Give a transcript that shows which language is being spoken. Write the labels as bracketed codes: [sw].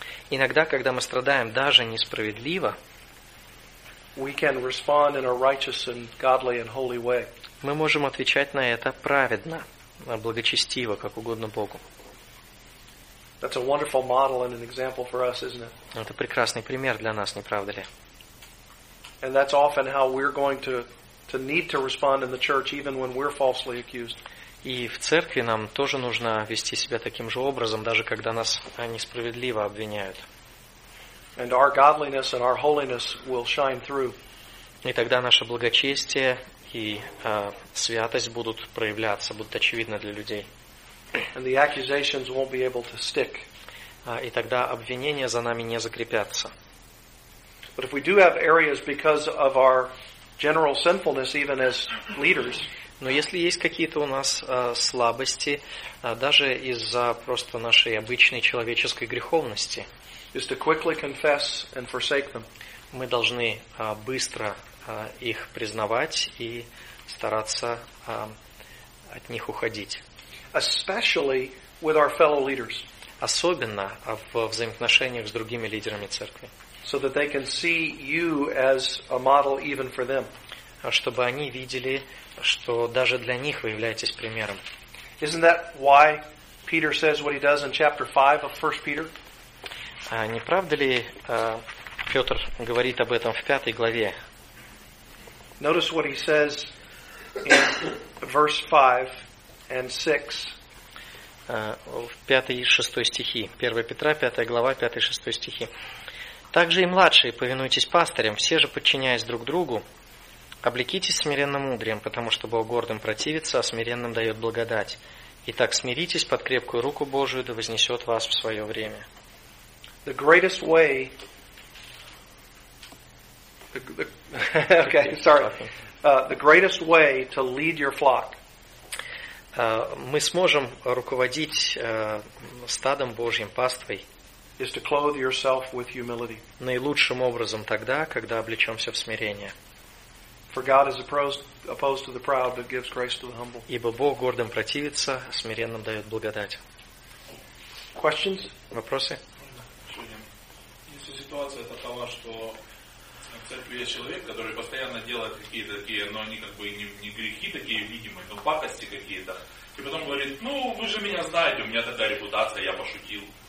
[ru] Иногда, когда мы страдаем даже несправедливо, [en] we can respond in a righteous and godly and holy way. [ru] Мы можем отвечать на это праведно, благочестиво, как угодно Богу. [en] That's a wonderful model and an example for us, isn't it? [ru] Это прекрасный пример для нас, не правда ли? [en] And that's often how we're going to need to respond in the church, even when we're falsely accused. [ru] И в церкви нам тоже нужно вести себя таким же образом, даже когда нас несправедливо обвиняют. [en] And our godliness and our holiness will shine through. [ru] И тогда наше благочестие и святость будут проявляться, будут очевидны для людей. [en] And the accusations won't be able to stick. [ru] И тогда обвинения за нами не закрепятся. [en] But if we do have areas because of our general sinfulness, even as leaders. [ru] Но если есть какие-то у нас слабости, даже из-за просто нашей обычной человеческой греховности, [en] is to quickly confess and forsake them. [ru] Мы должны быстро их признавать и стараться от них уходить. [en] Especially with our fellow leaders. [ru] Особенно в взаимоотношениях с другими лидерами церкви. [en] So that they can see you as a model even for them. [ru] Чтобы они видели, что даже для них вы являетесь примером. [en] Isn't that why Peter says what he does in chapter 5 of 1 Peter? [ru] Не правда ли, Петр говорит об этом в 5 главе? [en] Notice what he says in verse 5 and 6. [ru] В 5 и 6 стихи. 1 Петра, 5 глава, 5 и 6 стихи. «Также и младшие, повинуйтесь пастырям, все же подчиняясь друг другу, облекитесь смиренным мудрием, потому что Бог гордым противится, а смиренным дает благодать. Итак, смиритесь под крепкую руку Божию, да вознесет вас в свое время». [en] The greatest way, the greatest way to lead your flock. [ru] Мы сможем руководить стадом Божьим, паствой. [en] is to clothe yourself with humility. [ru] Наилучшим образом тогда, когда облечемся в смирение. [en] For God is opposed to the proud, but gives grace to the humble. [ru] Ибо Бог гордым противится, смиренным дает благодать. [en] Questions? [ru] Вопросы? Если ситуация такова, что в церкви есть человек, который постоянно делает какие-то такие, но они как бы не грехи такие видимые, но пакости какие-то, и потом говорит, ну вы же меня знаете, у меня такая репутация, я пошутил.